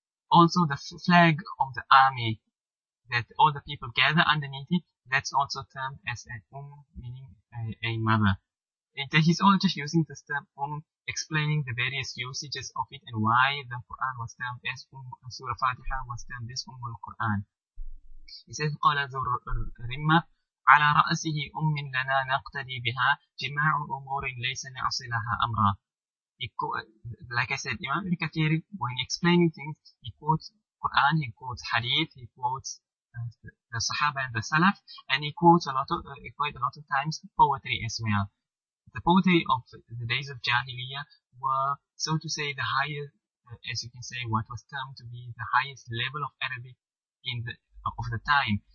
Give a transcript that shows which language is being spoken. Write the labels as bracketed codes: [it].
[en] Also, the flag of the army that all the people gather underneath it, that's also termed as an meaning a mother. He's all just using this term explaining the various usages of it and why the Quran was termed as Surah Fatiha was termed as al-Quran. He says, [ar] قال ذو الرمة على رأسه أم لنا نقتدي بها جماع أمور ليس نعصي لها أمرا. [en] Like I said, Imam Ibn Kathir, when explaining things, he quotes Quran, he quotes Hadith, he quotes the Sahaba and the Salaf, and he quotes quite a lot of times poetry as well. The poetry of the days of Jahiliyyah were, so to say, the highest, as you can say, what was termed to be the highest level of Arabic of the time.